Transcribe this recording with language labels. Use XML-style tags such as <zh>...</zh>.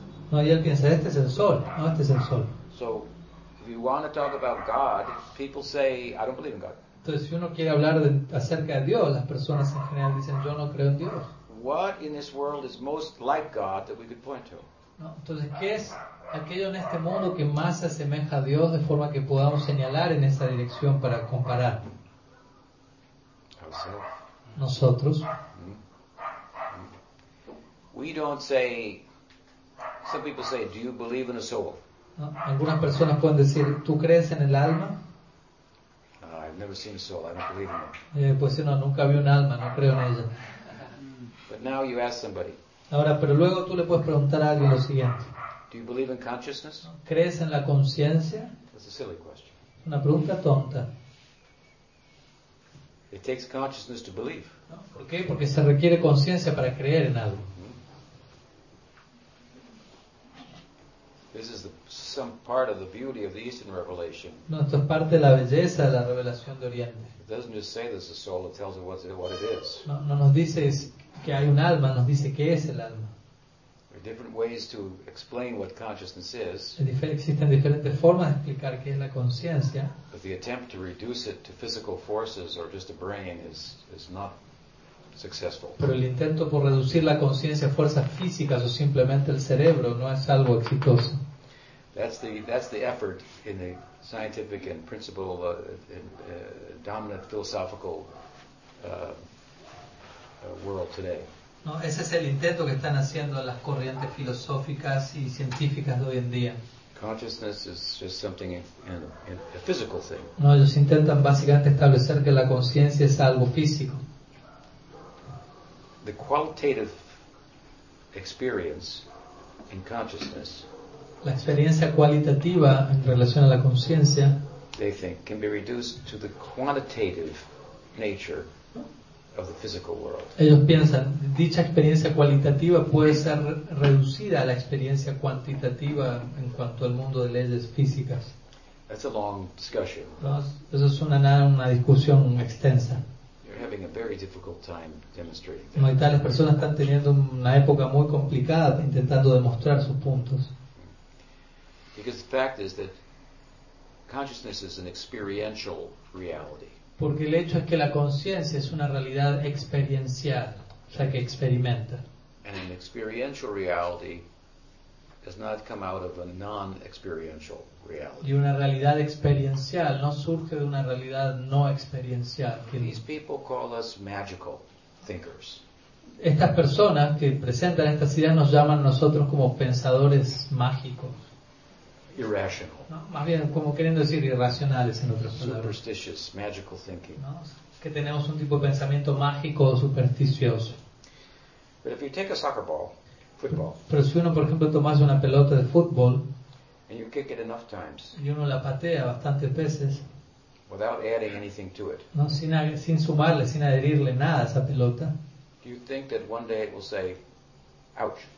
<es>No, y él piensa, este es el sol. No, este es el sol.</es> <en>So, If you want to talk about God, people say, I don't believe in God.</en> <es>Entonces, si uno quiere hablar de, acerca de Dios, las personas en general dicen, yo no creo en Dios.</es> <en>What in this world is most like God that we could point to?</en> <es>No, entonces, ¿qué es aquello en este mundo que más se asemeja a Dios de forma que podamos señalar en esa dirección para comparar? Nosotros.</es> <en>We don't say, some people say, do you believe in a soul? No.</en> <es>Algunas personas pueden decir, ¿tú crees en el alma?</es> <en>I've never seen a soul. I don't believe in it.</en> <es>Pues sí, no, nunca vi un alma, no creo en ella.</es> <en>But now you ask somebody.</en> <es>Ahora, pero luego tú le puedes preguntar a alguien lo siguiente.</es> <en>Do you believe in consciousness?</en> <es>¿Crees en la conciencia?</es> <en>That's a silly question.</en> <es>Una pregunta tonta.</es> <en>It takes consciousness to believe.</en> <es>¿Por qué? Porque se requiere conciencia para creer en algo.</es> <en>This is some part of the beauty of the Eastern Revelation.</en> <es>No, esto es parte de la belleza de la revelación de Oriente.</es> <en>It doesn't just say there's a soul, it tells us what it is.</en> <es>No, no nos dice que hay un alma, nos dice qué es el alma.</es> <en>There are different ways to explain what consciousness is.</en> <es>Existen diferentes formas de explicar qué es la conciencia.</es> <en>But the attempt to reduce it to physical forces or just a brain is not successful.</en> <es>Pero el intento por reducir la conciencia a fuerzas físicas o simplemente el cerebro no es algo exitoso.</es> <en>That's the effort in the scientific and principal dominant philosophical world today.</en> <es>No, ese es el intento que están haciendo las corrientes filosóficas y científicas de hoy en día.</es> <en>Consciousness is just something in a physical thing.</en> <es>No, ellos intentan básicamente establecer que la conciencia es algo físico.</es> <en>The qualitative experience in consciousness,</en> <es>la experiencia cualitativa en relación a la conciencia,</es> <en>they think, can be reduced to the quantitative nature of the physical world.</en> <es>Ellos piensan, dicha experiencia cualitativa puede ser reducida a la experiencia cuantitativa en cuanto al mundo de leyes físicas.</es> <en>That's a long discussion.</en> <es>Eso es una discusión extensa.</es> <en>Having a very difficult time demonstrating that.</en> <es>No, y tales personas están teniendo una época muy complicada intentando demostrar sus puntos.</es> <en>Because the fact is that consciousness is an experiential reality.</en> <es>Porque el hecho es que la conciencia es una realidad experiencial, o sea, que experimenta.</es> <en>And an experiential reality does not come out of a non-experiential reality.</en> <es>Y una realidad experiencial no surge de una realidad no experiencial.</es> <en>These people call us magical thinkers.</en> <es>Estas personas que presentan estas ideas nos llaman nosotros como pensadores mágicos.</es> <en>Irrational.</en> <es>No, más bien como queriendo decir irracionales en otras palabras.</es> <en>Superstitious, magical thinking.</en> <es>No, que tenemos un tipo de pensamiento mágico o supersticioso.</es> <en>But if you take a soccer ball, football.</en> <es>Pero si uno, por ejemplo, tomase una pelota de fútbol</es> <en>and you kick it enough times,</en> <es>y uno la patea bastantes veces,</es> <en>without adding anything to it,</en> <es>no, sin sumarle, sin adherirle nada a esa pelota,</es> <en>do you think that one day it will say, ouch?</en>